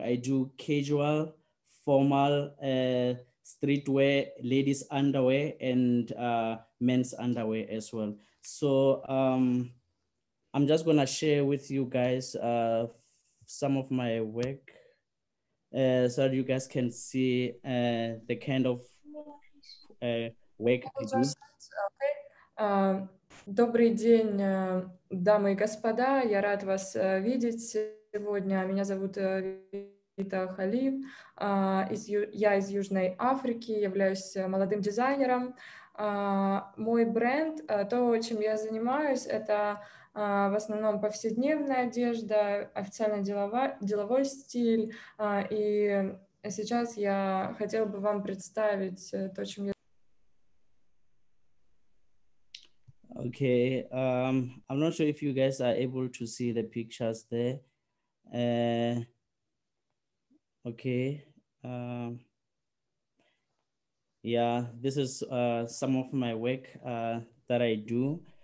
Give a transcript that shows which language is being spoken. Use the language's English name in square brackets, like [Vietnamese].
[English] I do casual, formal, streetwear, ladies underwear, and men's underwear as well. So I'm just gonna share with you guys some of my work so that you guys can see the kind of work I do. [Russian] Добрый день, дамы и господа. Я рад вас видеть сегодня. Меня зовут Вита Халив. Я из Южной Африки, являюсь молодым дизайнером. Мой бренд, то, чем я занимаюсь, это в основном повседневная одежда, официально деловой стиль. И сейчас я хотела бы вам представить то, чем я... [English] Okay, I'm not sure if you guys are able to see the pictures there. Yeah, this is some of my work that I do.